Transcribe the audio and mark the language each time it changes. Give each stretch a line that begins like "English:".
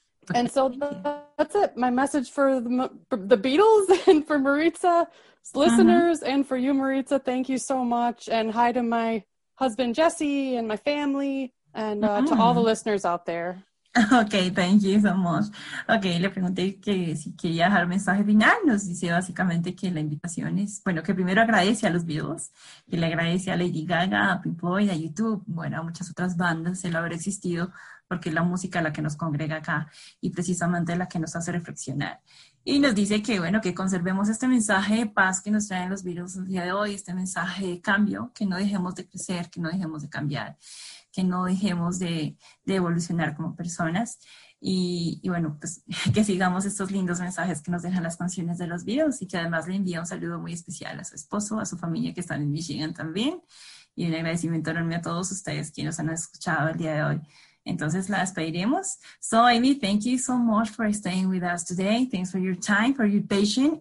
English: Okay. And so that's it. My message for the Beatles and for Maritza. Listeners, uh-huh. And for you, Maritza, thank you so much. And hi to my husband, Jesse, and my family, and to all the listeners out there. Okay, thank you so much.
Spanish: Okay, le pregunté que si quería dejar un mensaje final. Nos dice básicamente que la invitación es, bueno, que primero agradece a los Beatles, que le agradece a Lady Gaga, a Pink Floyd, a YouTube, bueno, a muchas otras bandas el haber existido, porque es la música la que nos congrega acá y precisamente la que nos hace reflexionar. Y nos dice que, bueno, que conservemos este mensaje de paz que nos traen los Beatles el día de hoy, este mensaje de cambio, que no dejemos de crecer, que no dejemos de cambiar, que no dejemos de evolucionar como personas. Y bueno, pues que sigamos estos lindos mensajes que nos dejan las canciones de los Beatles y que además le envía un saludo muy especial a su esposo, a su familia que están en Michigan también. Y un agradecimiento enorme a todos ustedes que nos han escuchado el día de hoy. Entonces la despediremos.
English: So Amy, thank you so much for staying with us today. Thanks for your time, for your patience.